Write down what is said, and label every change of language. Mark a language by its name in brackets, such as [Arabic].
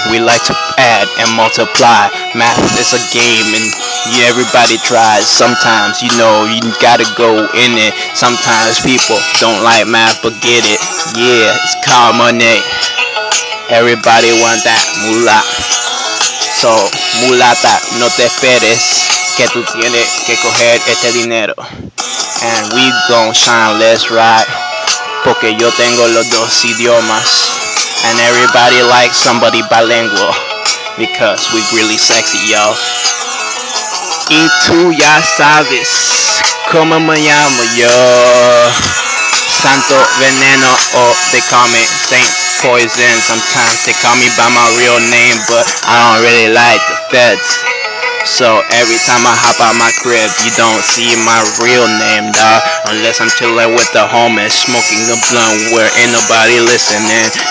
[English] We like to add and multiply. Math is a game and everybody tries. Sometimes, you know, you gotta go in it. Sometimes people don't like math, but get it. Yeah, it's common. Everybody want that moolah. [Spanish] So, mulata, no te esperes que tú tienes que coger este dinero. [English] And we gon' shine, let's ride. [Spanish] Porque yo tengo los dos idiomas. [English] And everybody likes somebody bilingual. Because we really sexy, yo. [Spanish] Y tú ya sabes cómo me llamo yo. [English] Santo Veneno, or they call me Saint Poison. Sometimes they call me by my real name, but I don't really like the feds. So every time I hop out my crib, you don't see my real name, dawg. Unless I'm chillin' with the homies, smoking a blunt where ain't nobody listening.